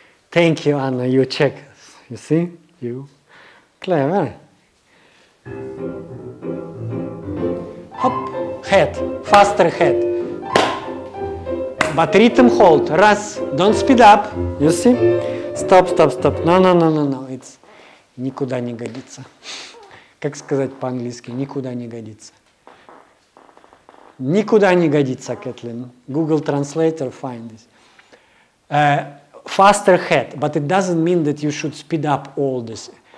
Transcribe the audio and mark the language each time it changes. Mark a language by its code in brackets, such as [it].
[en] Thank you, Anna, you check. You see, you clever. Hop, head, faster head. But rhythm hold, [ru] раз, [en] don't speed up, you see? Stop, no, it's [ru] никуда не годится. Как сказать по-английски, никуда не годится. Никуда не годится, Кэтлин. [en] Google Translator, find this. Faster head, but it doesn't mean that you should speed up all this.